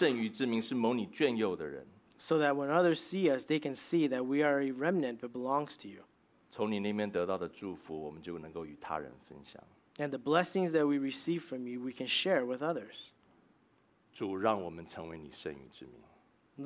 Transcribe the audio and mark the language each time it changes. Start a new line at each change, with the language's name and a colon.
Chinese: 求主你让这世界上面的人看见我们有耶稣基督的人，就是你那剩余之民，是蒙你眷佑的人。
English: So that when others see us, they can see that we are a remnant that belongs to you.
Chinese: 从你那边得到的祝福，我们就能够与他人分享。
English: And the blessings that we receive from you, we can share with others.
Chinese: 主，让我们成为你剩余之民。